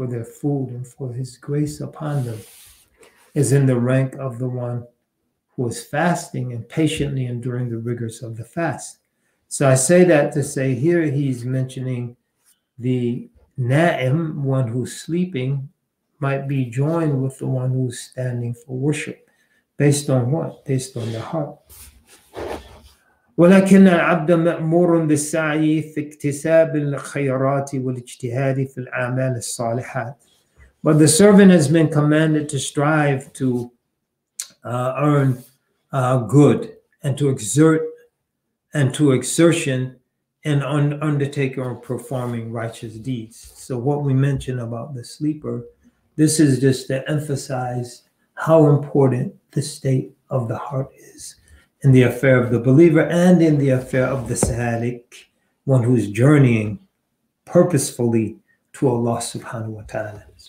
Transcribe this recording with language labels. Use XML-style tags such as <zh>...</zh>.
<en>for their food and for his grace upon them is in the rank of the one who is fasting and patiently enduring the rigors of the fast. So I say that to say here he's mentioning the na'im, one who's sleeping, might be joined with the one who's standing for worship. Based on what? Based on the heart.</en> <ar>ولكن العبد مأمور بالسعي في اكتساب الخيرات والاجتهاد في الأعمال الصالحات.</ar> <en>But the servant has been commanded to strive to earn good and to exert and to exertion and undertaking or performing righteous deeds. So what we mentioned about the sleeper, this is just to emphasize how important the state of the heart is in the affair of the believer and in the affair of the sahalik, one who's journeying purposefully to Allah subhanahu wa ta'ala.</en>